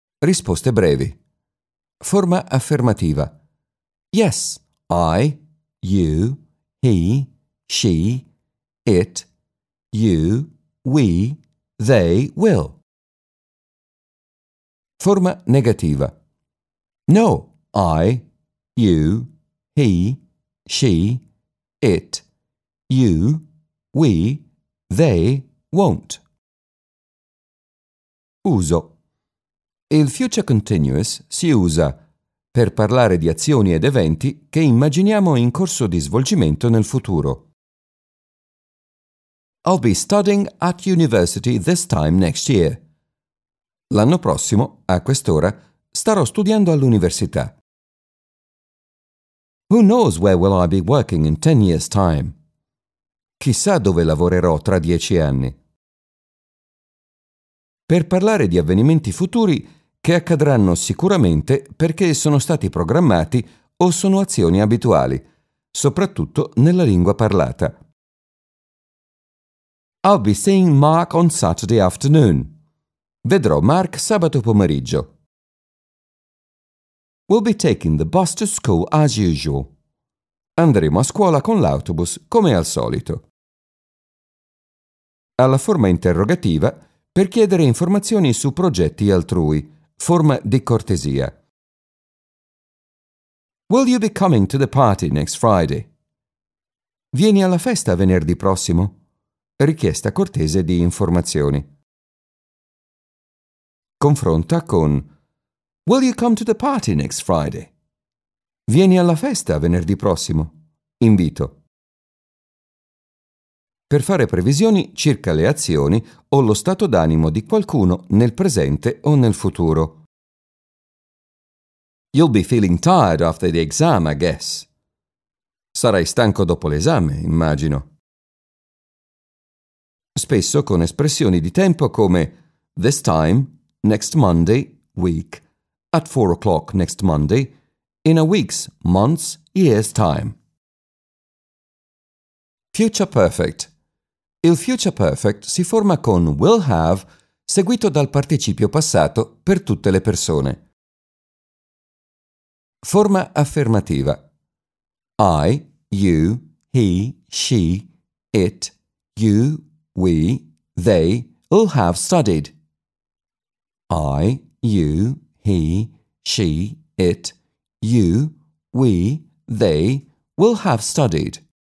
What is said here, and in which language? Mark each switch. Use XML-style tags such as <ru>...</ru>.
<it>Risposte brevi. Forma affermativa.</it> <en>Yes, I, you, he, she, it, you, we, they, will.</en> <it>Forma negativa.</it> <en>No, I, you, he, she, it, you, we, they, won't.</en> <it>Uso. Il future continuous si usa per parlare di azioni ed eventi che immaginiamo in corso di svolgimento nel futuro.</it> <en>I'll be studying at university this time next year.</en> <it>L'anno prossimo, a quest'ora, starò studiando all'università.</it> <en>Who knows where will I be working in 10 years' time?</en> <it>Chissà dove lavorerò tra 10 anni. Per parlare di avvenimenti futuri che accadranno sicuramente perché sono stati programmati o sono azioni abituali, soprattutto nella lingua parlata.</it> <en>I'll be seeing Mark on Saturday afternoon.</en> <it>Vedrò Mark sabato pomeriggio.</it> <en>We'll be taking the bus to school as usual.</en> <it>Andremo a scuola con l'autobus, come al solito. Alla forma interrogativa per chiedere informazioni su progetti altrui, forma di cortesia.</it> <en>Will you be coming to the party next Friday?</en> <it>Vieni alla festa venerdì prossimo? Richiesta cortese di informazioni. Confronta con</it> <en>Will you come to the party next Friday?</en> <it>Vieni alla festa venerdì prossimo. Invito. Per fare previsioni circa le azioni o lo stato d'animo di qualcuno nel presente o nel futuro.</it> <en>You'll be feeling tired after the exam, I guess.</en> <it>Sarai stanco dopo l'esame, immagino. Spesso con espressioni di tempo come</it> <en>this time, next Monday, week, at 4 o'clock next Monday, in a week's, month's, year's time. Future perfect.</en> <it>Il future perfect si forma con will have seguito dal participio passato per tutte le persone. Forma affermativa.</it> <en>I, you, he, she, it, you, we, they, will have studied. I, you, he, she, it, you, we, they, will have studied.</en>